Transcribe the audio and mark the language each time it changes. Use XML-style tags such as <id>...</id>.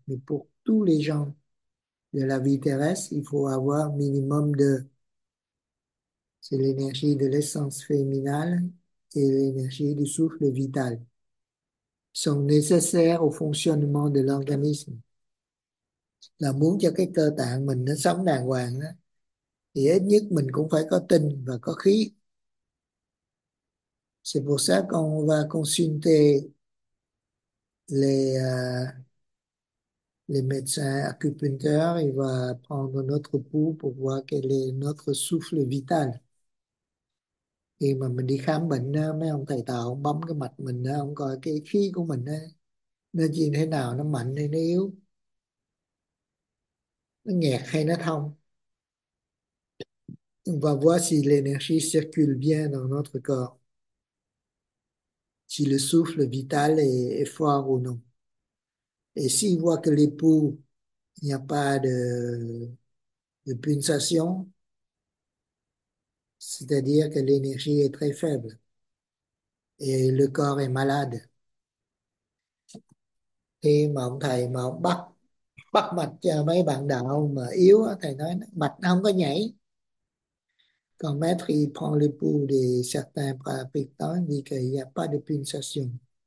<fr>Mais pour tous les gens de la vie terrestre, il faut avoir minimum de. C'est l'énergie de l'essence féminale et l'énergie du souffle vital. Sont nécessaires au fonctionnement de l'organisme.</fr> <vi>Là, muốn cho cái cơ tạng mình nó sống đàng hoàng đó, thì ít nhất mình cũng phải có tinh và có khí.</vi> <fr>C'est pour ça qu'on va consulter les médecins acupuncteurs, ils vont prendre notre pouls pour voir quel est notre souffle vital.</fr> <vi>Khi mà mình đi khám bệnh, mấy ông thầy tạo ông bấm cái mạch mình, ông coi cái khí của mình nó như thế nào, nó mạnh hay nó yếu, nó nghẹt hay nó thông.</vi> <fr>On va voir si l'énergie circule bien dans notre corps, si le souffle vital est fort ou non. Et s'il voit que les poumons, il n'y a pas de pulsation, c'est-à-dire que l'énergie est très faible et le corps est malade.</fr> <vi>Khi mà ông thầy mà ông bắt bắt mạch cho mấy bạn đạo mà yếu, thầy nói mạch nó không có nhảy. Còn</vi> <fr>maître il prend le pouls de certains pratiquants, dit qu'il n'y a pas de pulsation.</fr>